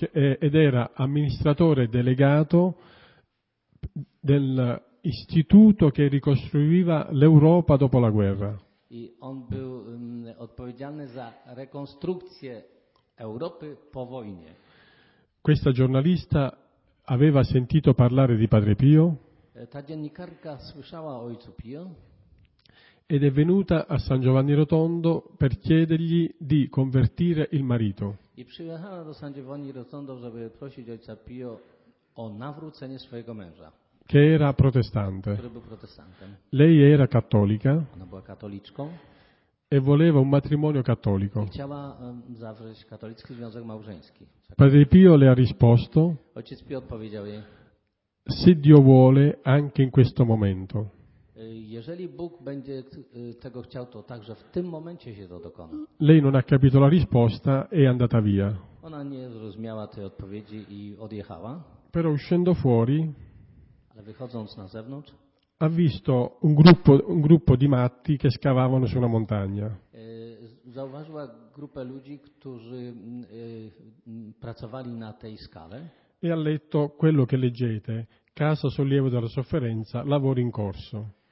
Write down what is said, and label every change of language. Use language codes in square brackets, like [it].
[it] Ed era amministratore delegato dell'istituto che ricostruiva l'Europa dopo la guerra. [pl] I on był odpowiedzialny za rekonstrukcję Europy po wojnie. [it] Questa giornalista aveva sentito parlare di Padre Pio. [pl] Ta dziennikarka słyszała o Ojcu Pio. [it] Ed è venuta a San Giovanni Rotondo per chiedergli di convertire il marito. [pl] I przyjechała do San Giovanni Rotondo, żeby prosić Ojca Pio o nawrócenie swojego męża. [it] Che era protestante. [pl] Który był protestantem. [it] Lei era cattolica. [pl] Ona była katoliczką. [it] E voleva un matrimonio cattolico. [pl] Chciała zawrzeć katolicki związek małżeński. [it] Padre Pio le ha risposto. [pl] Ojciec Pio odpowiedział jej. [it] Se Dio vuole, anche in questo momento. [pl] Jeżeli Bóg będzie tego chciał, to także w tym momencie się to dokona. [it] Lei non ha capito la risposta e è andata via. [pl] Ona nie zrozumiała tej odpowiedzi i odjechała. [it] Però uscendo fuori. [pl] Ale wychodząc na zewnątrz. [it] Ha visto un gruppo di matti che scavavano su una montagna. [pl] Zauważyła grupę ludzi, którzy pracowali na tej skale. [it] E ha letto quello che leggete, casa sollievo della sofferenza, lavori in corso.